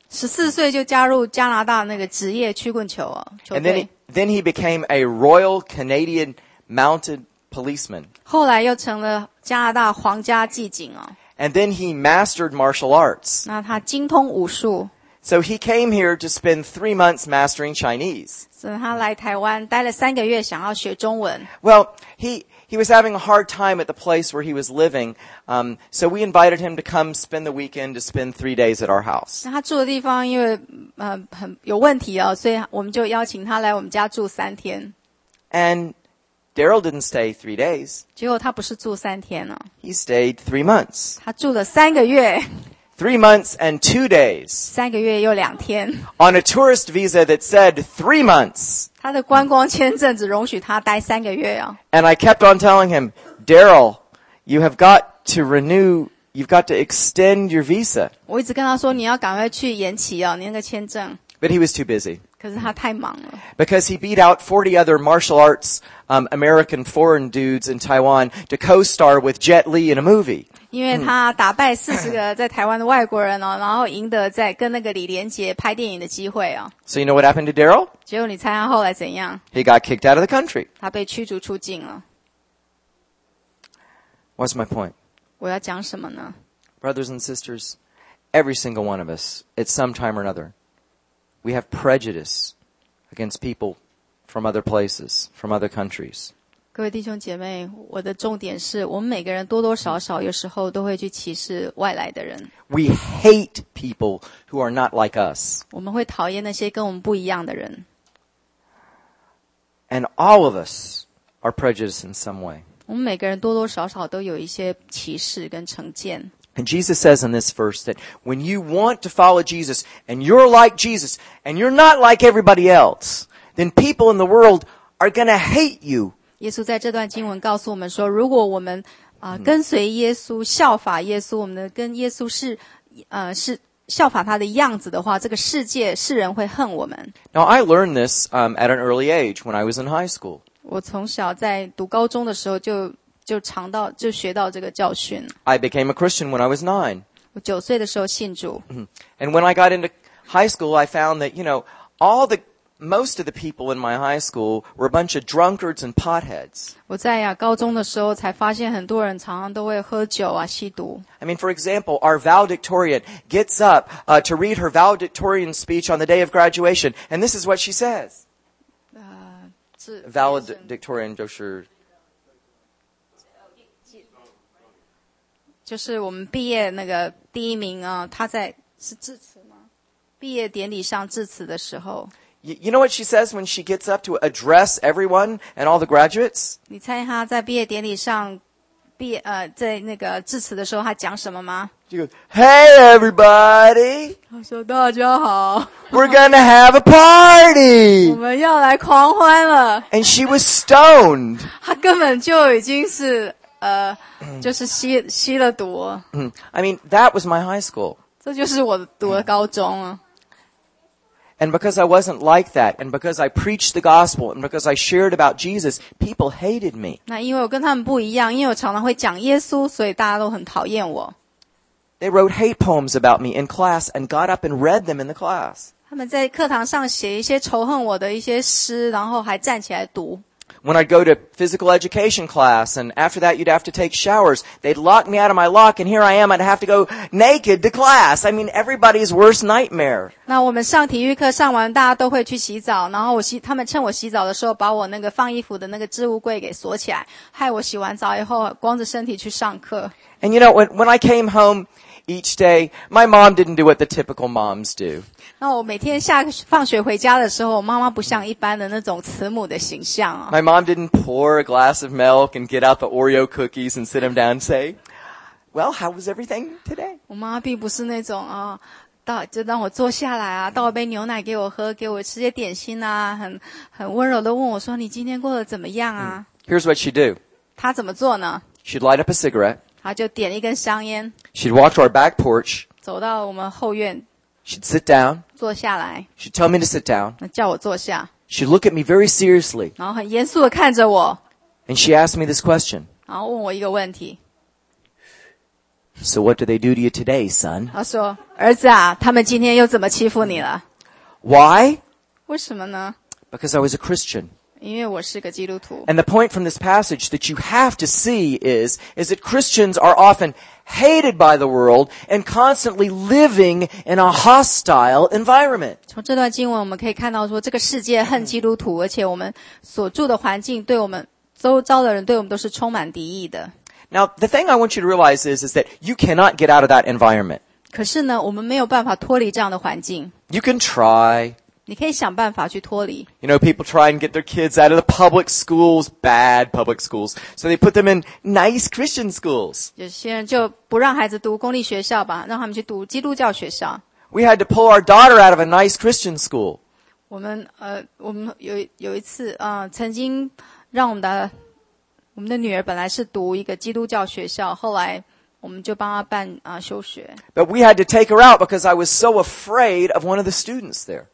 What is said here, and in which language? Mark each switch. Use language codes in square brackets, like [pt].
[zh] 14岁就加入加拿大那个职业曲棍球哦，球队。 [en] And then he became a Royal Canadian Mounted Policeman. [zh] 后来又成了加拿大皇家骑警哦。 [en] And then he mastered martial arts. [zh] 那他精通武术。 [en] So he came here to spend 3 months mastering Chinese. [zh] 所以他来台湾待了三个月想要学中文。 [en] Well, he was having a hard time at the place where he was living, so we invited him to come spend the weekend to spend 3 days at our house. [zh] 那他住的地方因为很有问题哦，所以我们就邀请他来我们家住三天。 [en] And Daryl didn't stay 3 days. [zh] 结果他不是住三天了。 [en] He stayed 3 months. [zh] 他住了三个月。 [en] 3 months and 2 days. [zh] 三个月又两天。 [en] On a tourist visa that said 3 months. [zh] 他的观光签证只容许他待三个月啊。 [en] And I kept on telling him, Daryl, you have got to renew, you've got to extend your visa. [zh] 我一直跟他说你要赶快去延期啊，你那个签证。 [en] But he was too busy. [zh] 可是他太忙了。 [en] Because he beat out 40 other martial arts, American foreign dudes in Taiwan to co-star with Jet Li in a movie. [zh] 因为他打败40个在台湾的外国人哦，然后赢得在跟那个李连杰拍电影的机会哦。 [en] So you know what happened to Daryl? [zh] 结果你猜他后来怎样？ [en] He got kicked out of the country. [zh] 他被驱逐出境了。 [en] What's my point? [zh] 我要讲什么呢？ [en] Brothers and sisters, every single one of us, at some time or another,We have prejudice against people from other places, from other countries. [zh] 各位弟兄姐妹，我的重点是我们每个人多多少少有时候都会去歧视外来的人。 [en] We hate people who are not like us. [zh] 我们会讨厌那些跟我们不一样的人。 [en] And all of us are prejudiced in some way. [zh] 我们每个人多多少少都有一些歧视跟成见。 [en] And Jesus says in this verse that when you want to follow Jesus and you're like Jesus and you're not like everybody else, then people in the world are going to hate you. [zh] 耶稣在这段经文告诉我们说，如果我们跟随耶稣，效法耶稣，我们跟耶稣是效法他的样子的话，这个世界世人会恨我们。 [en] Now I learned this at an early age when I was in high school. [zh] 我从小在读高中的时候就学到这个教训。 [en] I became a Christian when I was 9. [zh] 我九岁的时候信主。 [en] And when I got into high school, I found that, you know, most of the people in my high school were a bunch of drunkards and potheads. [zh] 我在高中的时候才发现很多人常常都会喝酒啊，吸毒。 [en] I mean, for example, our valedictorian gets up, to read her valedictorian speech on the day of graduation, and this is what she says. Valedictorian, [zh] 就是我们毕业那个第一名啊，他在是致辞吗？毕业典礼上致辞的时候 [en] ，You know what she says when she gets up to address everyone and all the graduates？ [zh] 你猜他在毕业典礼上在那个致辞的时候，他讲什么吗 [en] ？She goes, "Hey everybody!" [zh] 他说大家好。 [en] We're gonna have a party. [zh] 我们要来狂欢了。 [en] And she was stoned. [zh] 他根本就已经是。就是吸了毒。 [en] I mean, that was my high school. [zh] 这就是我读的高中啊。 [en] And because I wasn't like that, and because I preached the gospel, and because I shared about Jesus, people hated me. [zh] 那因为我跟他们不一样，因为我常常会讲耶稣，所以大家都很讨厌我。 [en] They wrote hate poems about me in class and got up and read them in the class. [zh] 他们在课堂上写一些仇恨我的一些诗，然后还站起来读。 [en] When I'd go to physical education class, and after that you'd have to take showers, they'd lock me out of my lock, and here I am, I'd have to go naked to class. I mean, everybody's worst nightmare. [zh] 那我们上体育课上完，大家都会去洗澡，然后他们趁我洗澡的时候，把我那个放衣服的那个置物柜给锁起来，害我洗完澡以后光着身体去上课。 [en] And you know, when I came home each day, my mom didn't do what the typical moms do. [zh] 那我每天下放学回家的时候，妈妈不像一般的那种慈母的形象啊。 [en] My mom didn't pour a glass of milk and get out the Oreo cookies and sit him down and say, "Well, how was everything today?" [zh] 我妈妈并不是那种啊，倒就让我坐下来啊，倒一杯牛奶给我喝，给我吃些点心啊，很温柔的问我说，你今天过得怎么样啊？ [en] Here's what she'd do. [zh] 她怎么做呢？ [en] She'd light up a cigarette. [zh] 她就点一根香烟。 [en] She'd walk to our back porch. [zh] 走到我们后院。 [en] She'd sit down. [zh] 坐下来。 [en] She'd tell me to sit down. [zh] 叫我坐下。 [en] She'd look at me very seriously. [zh] 然后很严肃地看着我。 [en] And she asked me this question. [zh] 然后问我一个问题。 [en] So what do they do to you today, son? [zh] 她说，儿子啊，他们今天又怎么欺负你了？ [en] Why? [zh] 为什么呢？ [en] Because I was a Christian. [zh] 因为我是个基督徒。 [en] And the point from this passage that you have to see is that Christians are often hated by the world and constantly living in a hostile environment. [zh] 从这段经文我们可以看到说这个世界恨基督徒，而且我们所住的环境对我们周遭的人对我们都是充满敌意的。 [en] Now, the thing I want you to realize is that you cannot get out of that environment. [zh] 可是呢，我们没有办法脱离这样的环境。 [en] You can try. [zh] 你可以想办法去脱离。 [en] You know, people try and get their kids out of the public schools, bad public schools, so they put them in nice Christian schools. [zh] 有些人就不让孩子读公立学校吧，让他们去读基督教学校。 [en] We had to pull our daughter out of a nice Christian school. [zh] 我们有一次，曾经让我们的女儿本来是读一个基督教学校，后来我们就帮她办休学。 [en] But we had to take her out because I was so afraid of one of the students there.